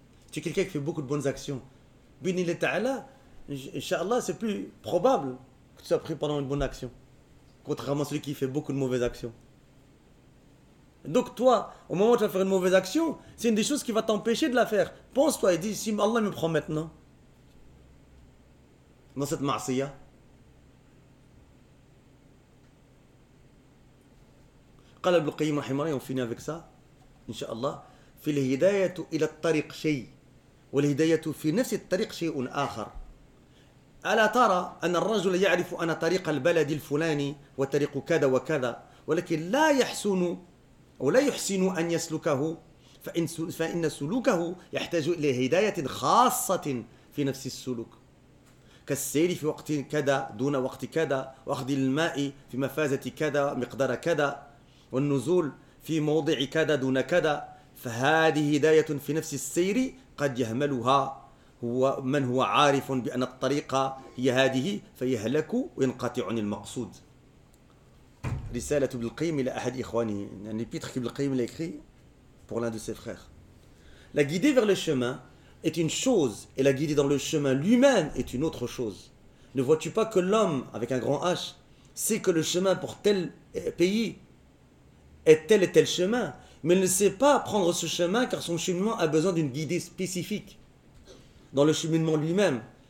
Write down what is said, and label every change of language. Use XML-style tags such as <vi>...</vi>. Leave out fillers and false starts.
<fr>Tu es quelqu'un qui fait beaucoup de bonnes actions. Bini l'Ita'ala, Inch'Allah, c'est plus probable que tu sois pris pendant une bonne action, contrairement à celui qui fait beaucoup de mauvaises actions. Donc toi, au moment où tu vas faire une mauvaise action, c'est une des choses qui va t'empêcher de la faire. Pense-toi et dis, si Allah me prend maintenant, dans cette ma'asiyah,</fr> <ar>قال ابن القيم رحمه الله وفينا</ar> <fr>avec ça</fr> <ar>ان شاء الله في الهدايه الى الطريق شيء والهدايه في نفس الطريق شيء اخر الا ترى ان الرجل يعرف ان طريق البلد الفلاني وطريق كذا وكذا ولكن لا يحسن او لا يحسن ان يسلكه فان سلوكه يحتاج الى هدايه خاصه في نفس السلوك كالسير في وقت كذا دون وقت كذا واخذ الماء في مفازه كذا مقدار كذا والنزول في موضع كذا دون كذا فهذه هداية في نفس السير قد يهملها هو من هو عارف بأن الطريقة هي هذه فيهلك وينقطع عن المقصود. رسالة ابن القيم إلى أحد إخوانه يعني بيتر ابن القيم لكري</ar> <fr>pour l'un de ses frères. La guider vers le chemin est une chose et la guider dans le chemin lui-même est une autre chose. Ne vois-tu pas que l'homme avec un grand H sait que le chemin pour tel pays est tel et tel chemin, mais ne sait pas prendre ce chemin car son cheminement a besoin d'une guidée spécifique dans le cheminement lui-même.</fr>